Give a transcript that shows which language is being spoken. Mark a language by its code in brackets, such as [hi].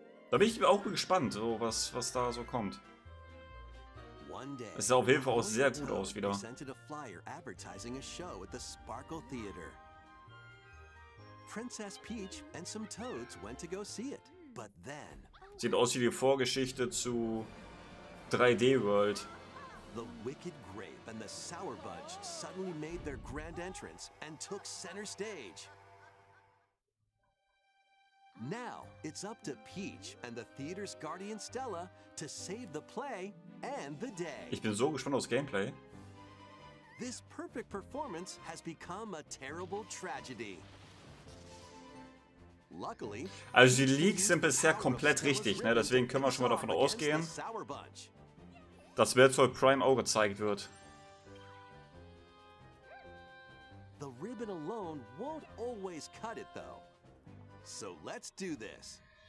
[de] Da bin ich auch gespannt, so was da so kommt. Es sah auf jeden Fall auch sehr gut aus wieder. [en] Princess Peach and some toads went to go see it, but then... [de] Sieht aus wie die Vorgeschichte zu 3D World. [en] The wicked grape and the sour budge suddenly made their grand entrance and took center stage. Now, it's up to Peach and the theater's guardian Stella to save the play and the day. [de] Ich bin so gespannt aufs Gameplay. [en] This perfect performance has become a terrible tragedy. [de] Also die Leaks sind bisher komplett richtig, ne? Deswegen können wir schon mal davon ausgehen, dass Virtual Prime auch gezeigt wird. [en] The ribbon alone won't always cut it though. So let's do this.